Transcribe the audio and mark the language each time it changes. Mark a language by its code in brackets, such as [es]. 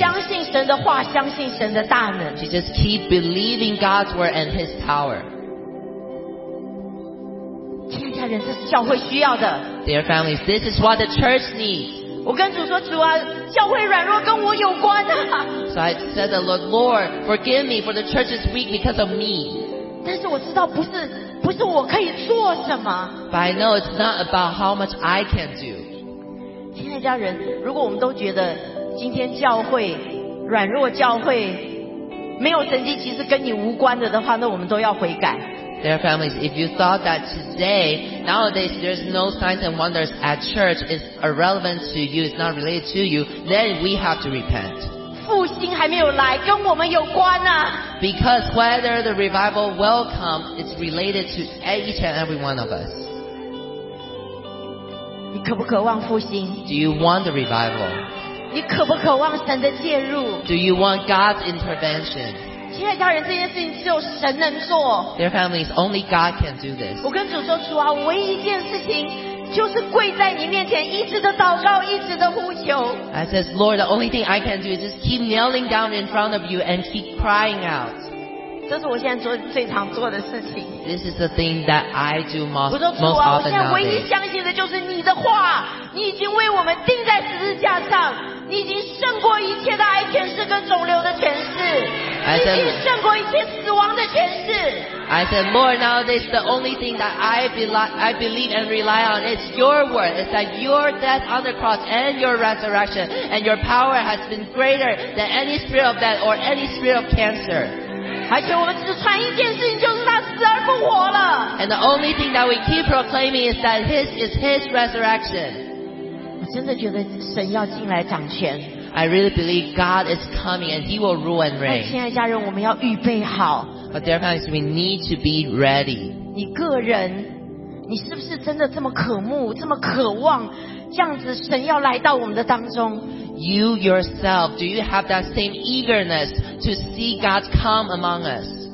[zh] 相信神的话，相信神的大能。 [en] She just keep believing God's word and His power. [zh] 亲爱的家人，这是教会需要的。 [en] Dear families, this is what the church needs. [zh] 我跟主说，主啊，教会软弱跟我有关啊。 [en] So I said the Lord, Lord, forgive me for the church is weak because of me. [zh] 但是我知道不是我可以做什么。 [en] But I know it's not about how much I can do. [zh] 亲爱的家人，如果我们都觉得今天教会软弱，教会没有神迹，其实跟你无关的话，那我们都要悔改。 [en] Dear families, if you thought that today, nowadays, there's no signs and wonders at church, it's irrelevant to you, it's not related to you, then we have to repent. [zh] 复兴还没有来，跟我们有关啊。 [en] Because whether the revival will come, it's related to each and every one of us. [zh] 你渴不渴望复兴？ [en] Do you want the revival? [zh] 你渴不渴望神的介入？ [en] Do you want God's intervention? [zh] 亲爱的家人，这件事情只有神能做。 [en] Dear families, only God can do this. [zh] 我跟主说，主啊，唯一一件事情就是跪在你面前，一直的祷告，一直的呼求。 [en] I says, Lord, the only thing I can do is just keep kneeling down in front of you and keep crying out. [zh] 这是我现在做最常做的事情。 [en] This is the thing that I do most often. [zh] 我说主啊，我现在唯一相信的就是你的话。你已经为我们钉在十字架上，你已经胜过一切的癌权势跟肿瘤的权势，你已经胜过一切死亡的权势。 [en] I said, Lord, now this is the only thing that I believe and rely on. It's your word. It's that your death on the cross and your resurrection and your power has been greater than any spirit of death or any spirit of cancer. [zh] 而且我们只传一件事情，就是他死而复活了。 [en] And the only thing that we keep proclaiming is that his is his resurrection. [zh] 我真的觉得神要进来掌权。 [en] I really believe God is coming and he will rule and reign. [zh] 亲爱的家人，我们要预备好。 [en] But dear friends, we need to be ready. [zh] 你个人，你是不是真的这么渴慕，这么渴望，这样子神要来到我们的当中？ [en] You yourself, do you have that same eagerness to see God come among us?